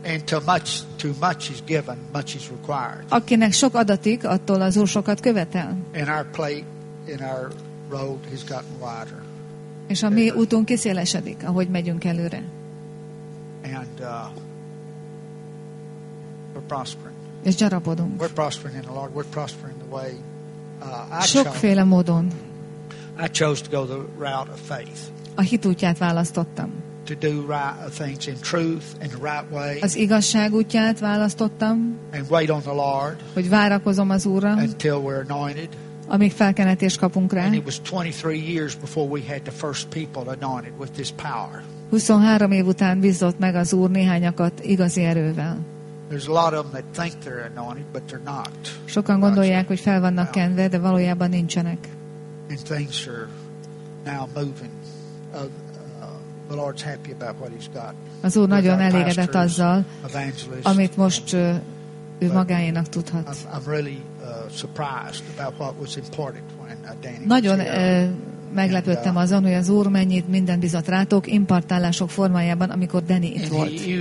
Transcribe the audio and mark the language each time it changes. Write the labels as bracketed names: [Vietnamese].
[English] And too much is given, much is required. [Hungarian] Akinek sok adatik, attól az Úr sokat követel. [English] And our plate, in our road has gotten wider. [Hungarian] És a mi útunk kiszélesedik, ahogy megyünk előre. [English] And we're prospering. [Hungarian] És gyarapodunk. [English] We're prospering in the Lord. We're prospering in the way [Hungarian] sokféle módon. [English] I chose to go the route of faith. [Hungarian] A hit útját választottam. [English] To do right things in truth in the right way. [Hungarian] Az igazság útját választottam. [English] And wait on the Lord. [Hungarian] Hogy várakozom az Úrra. [English] Until we're anointed. [Hungarian] Amíg felkenetést kapunk rá. [English] And it was 23 years before we had the first people anointed with this power. [Hungarian] 23 év után bízott meg az Úr néhányakat igazi erővel. [English] There's a lot of them that think they're anointed, but they're not. [Hungarian] Sokan gondolják, hogy fel vannak kenve, de valójában nincsenek. [English] And things are now moving. The Lord's happy about what He's got. [Hungarian] Az Úr nagyon elégedett azzal, amit most ő magáénak tudhat. [English] I'm really surprised about what was imparted when Danny. [Hungarian] Nagyon meglepődtem azon, hogy az Úr mennyit minden bizott rátok, impartálások formájában, amikor Danny itt volt.